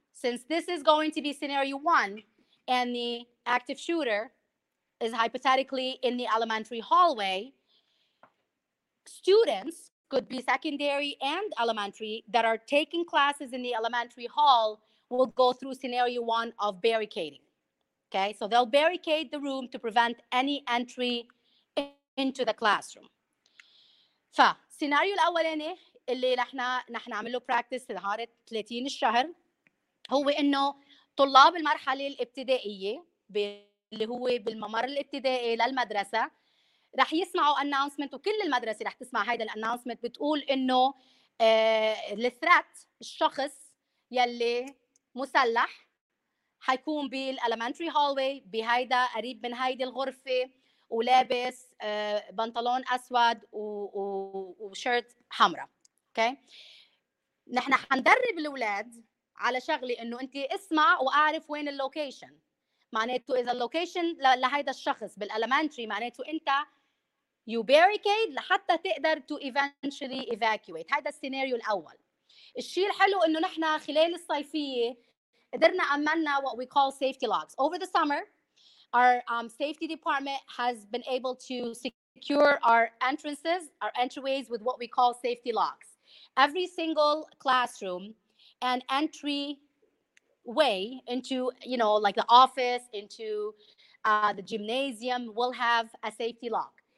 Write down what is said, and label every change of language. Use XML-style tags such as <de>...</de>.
<en>Since this is going to be scenario one, and the active shooter is hypothetically in the elementary hallway, students, could be secondary and elementary, that are taking classes in the elementary hall will go through scenario one of barricading. Okay, so they'll barricade the room to prevent any entry into the classroom.</en> <ar>ف السيناريو الاولاني اللي نحن نعمله براكتس نهار 30 الشهر هو انه طلاب المرحله الابتدائيه اللي هو بالممر الابتدائي للمدرسه رح يسمعوا اناونسمنت وكل المدرسه رح تسمع هيدا الاناونسمنت بتقول انه الثريت الشخص يلي مسلح حيكون بالالمنتري هولوي بهيدا قريب من هيدي الغرفه ولابس بنطلون اسود وشيرت حمراء. اوكي نحن حندرب الاولاد على شغله انه انت اسمع واعرف وين اللوكيشن معناته اذا اللوكيشن لهيدا الشخص بالالمنتري معناته انت</ar> <en>you barricade</en> <ar>لحتى تقدر</ar> <en>To eventually evacuate.</en> <ar>هيدا السيناريو الاول. الشيء الحلو انه نحن خلال الصيفيه قدرنا عملنا</ar> <en>what we call safety logs. Over the summer, our safety department has been able to secure our entrances, our entryways with what we call safety logs. Every single classroom and entry way into, you know, like the office, into the gymnasium will have a safety log.</en>